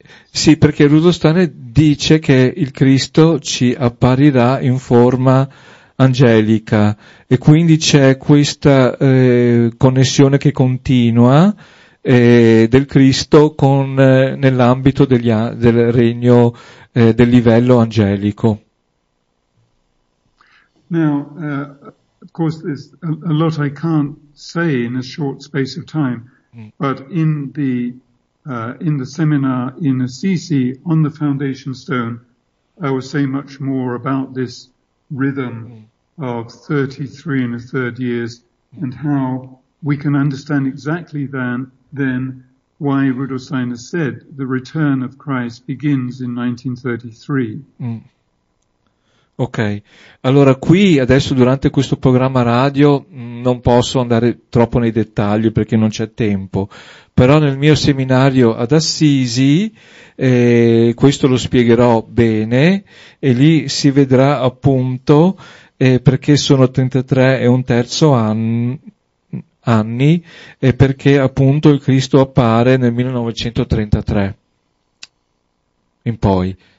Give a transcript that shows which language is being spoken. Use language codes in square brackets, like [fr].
[it] Sì, perché Rudolf Steiner dice che il Cristo ci apparirà in forma angelica e quindi c'è questa connessione che continua del Cristo con nell'ambito del regno del livello angelico. [en] Now, of course, there's a lot I can't say in a short space of time, but in the seminar in Assisi on the foundation stone, I will say much more about this rhythm of 33 and a third years and how we can understand exactly then why Rudolf Steiner said the return of Christ begins in 1933. Mm. [it] Ok, allora qui adesso durante questo programma radio non posso andare troppo nei dettagli perché non c'è tempo, però nel mio seminario ad Assisi, questo lo spiegherò bene, e lì si vedrà appunto perché sono 33 e un terzo anni e perché appunto il Cristo appare nel 1933 in poi.